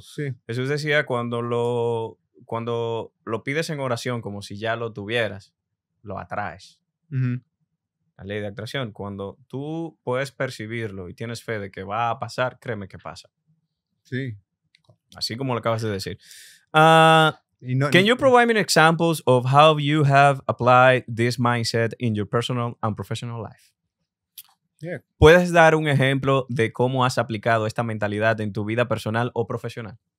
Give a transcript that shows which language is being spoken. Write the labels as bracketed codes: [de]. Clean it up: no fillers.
[es] Sí. Jesús decía, cuando lo pides en oración como si ya lo tuvieras, lo atraes. Uh-huh. La ley de atracción. Cuando tú puedes percibirlo y tienes fe de que va a pasar, créeme que pasa. Sí. Así como lo acabas de decir. [en] Can you provide me examples of how you have applied this mindset in your personal and professional life? Yeah. [es] ¿Puedes dar un ejemplo de cómo has aplicado esta mentalidad en tu vida personal o profesional?